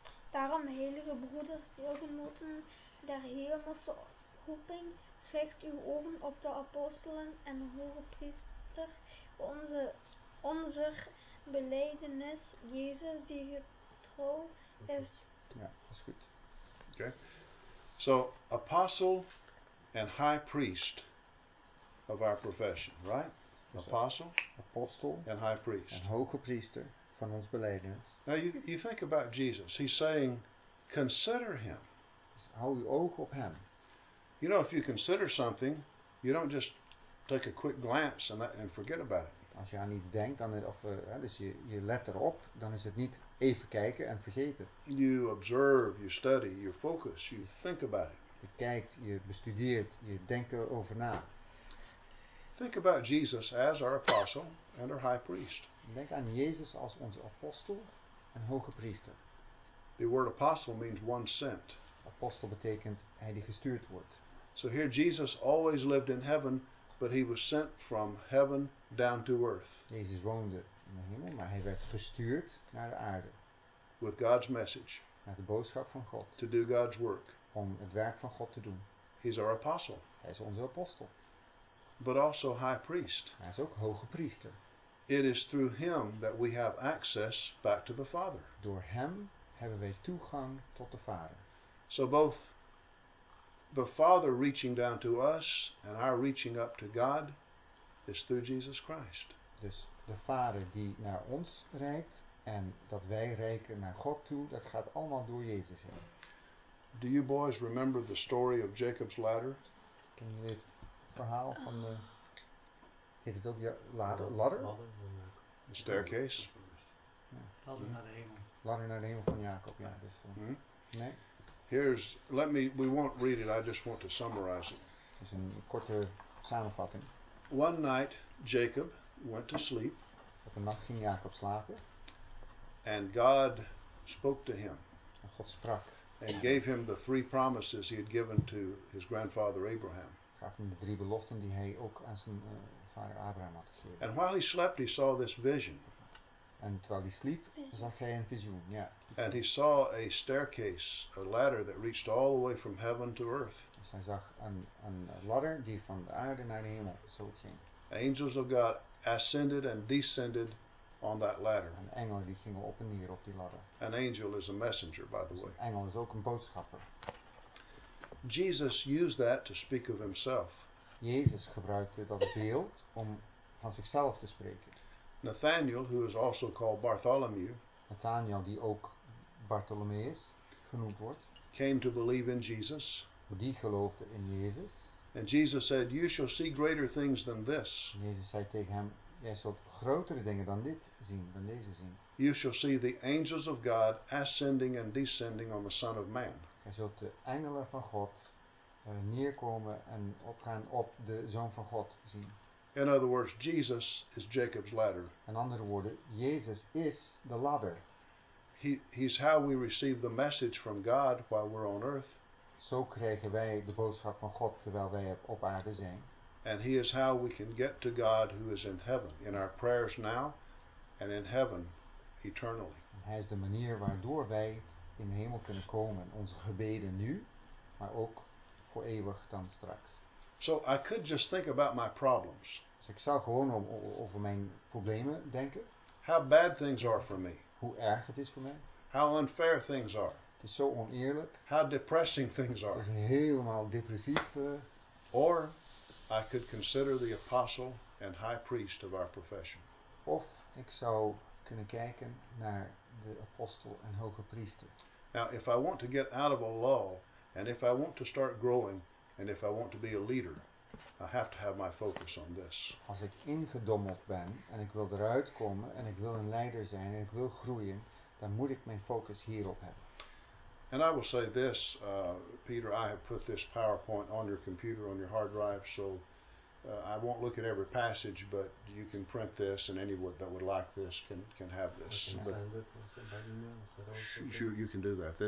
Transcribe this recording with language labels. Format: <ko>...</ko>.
<nl>Daarom, heilige broeders, deelgenoten der hemelse roeping, richt uw ogen op de apostelen en hoge priester, onze belijdenis, Jezus, die getrouw is. Ja, dat is goed. Oké.</nl> <en>So, apostle and high priest of our profession, right? Apostle and high priest.</en> <nl>En hoge priester van ons belijdenis.</nl> <en>Now, you think about Jesus. He's saying, consider him.</en> <nl>Hou uw oog op hem.</nl> <en>You know, if you consider something, you don't just take a quick glance and forget about it.</en> <nl>Als je aan iets denkt, je let erop, dan is het niet even kijken en vergeten.</nl> <en>You observe, you study, you focus, you think about it.</en> <nl>Je kijkt, je bestudeert, je denkt erover na.</nl> <en>Think about Jesus as our apostle and our high priest.</en> <nl>Denk aan Jezus als onze apostel en hoge priester.</nl> <en>The word apostle means one sent.</en> <nl>Apostel betekent hij die gestuurd wordt.</nl> <en>So here Jesus always lived in heaven, but he was sent from heaven down to earth.</en> <nl>Jezus woonde in de hemel, maar hij werd gestuurd naar de aarde.</nl> <en>With God's message.</en> <nl>Naar de boodschap van God.</nl> <en>To do God's work.</en> <nl>Om het werk van God te doen.</nl> <en>He's our apostle.</en> <nl>Hij is onze apostel.</nl> <en>But also high priest.</en> <nl>Hij is ook hoge priester.</nl> <en>It is through him that we have access back to the Father.</en> <nl>Door hem hebben wij toegang tot de Vader.</nl> <en>So both the Father reaching down to us and our reaching up to God is through Jesus Christ.</en> <nl>Dus de Vader die naar ons reikt en dat wij reiken naar God toe, dat gaat allemaal door Jezus heen.</nl> <en>Do you boys remember the story of Jacob's ladder?</en> <nl>Ken je dit verhaal van de, heet het ook ladder?</nl> <en>The staircase.</en> <nl>Ladder naar de hemel van Jacob, ja. Dus, nee?</nl> <en>Here's, let me, we won't read it, I just want to summarize it.</en> <nl>Het is een korte samenvatting.</nl> <en>One night Jacob went to sleep.</en> <nl>Op een nacht ging Jacob slapen.</nl> <en>And God spoke to him.</en> <nl>En God sprak.</nl> <en>And gave him the three promises he had given to his grandfather Abraham.</en> <nl>Gaf hem de drie beloften die hij ook aan zijn vader Abraham had gegeven.</nl> <en>And while he slept, he saw this vision.</en> <nl>En terwijl hij sliep, zag hij een visioen. Ja.</nl> <en>And he saw a staircase, a ladder that reached all the way from heaven to earth.</en> <nl>Dus hij zag een ladder die van de aarde naar de hemel zo ging.</nl> <en>Angels of God ascended and descended on that ladder.</en> <nl>En engelen die gingen op en neer op die ladder.</nl> <en>An angel is a messenger, by the way.</en> <nl>Een engel is ook een boodschapper.</nl> <en>Jesus used that to speak of himself.</en> <nl>Jezus gebruikte dat beeld om van zichzelf te spreken.</nl> <en>Nathanael, who is also called Bartholomew,</en> <nl>Nathanael, die ook Bartholomeus genoemd wordt,</nl> <en>came to believe in Jesus.</en> <nl>Die geloofde in Jezus.</nl> <en>And Jesus said, "You shall see greater things than this."</en> <nl>Jezus zei tegen hem, jij zult grotere dingen dan dit zien, dan deze zien.</nl> <en>You shall see the angels of God ascending and descending on the Son of Man.</en> <nl>Jij zult de engelen van God neerkomen en opgaan op de Zoon van God zien.</nl> <en>In other words, Jesus is Jacob's ladder.</en> <nl>In andere woorden, Jezus is de ladder.</nl> <en>He's how we receive the message from God while we're on earth.</en> <nl>Zo krijgen wij de boodschap van God terwijl wij op aarde zijn.</nl> <en>And he is how we can get to God who is in heaven, in our prayers now and in heaven eternally.</en> <nl>En hij is de manier waardoor wij in de hemel kunnen komen, onze gebeden nu, maar ook voor eeuwig dan straks.</nl> <en>So I could just think about my problems.</en> <nl>Dus ik zou gewoon over mijn problemen denken.</nl> <en>How bad things are for me.</en> <nl>Hoe erg het is voor mij.</nl> <en>How unfair things are.</en> <nl>Het is zo oneerlijk.</nl> <en>How depressing things are.</en> <nl>Het is helemaal depressief.</nl> <en>Or I could consider the apostle and high priest of our profession.</en> <nl>Of ik zou kunnen kijken naar de apostel en hoge priester.</nl> <en>Now if I want to get out of a lull and if I want to start growing, and if I want to be a leader, I have to have my focus on this.</en> <nl>Als ik ingedommeld ben en ik wil eruit komen en ik wil een leider zijn en ik wil groeien, dan moet ik mijn focus hierop hebben.</nl> <en>And I will say this, Peter, I have put this PowerPoint on your computer, on your hard drive, so I won't look at every passage, but you can print this, and anyone that would like this can have this. I can send it by email. Sure, you can do that.</en>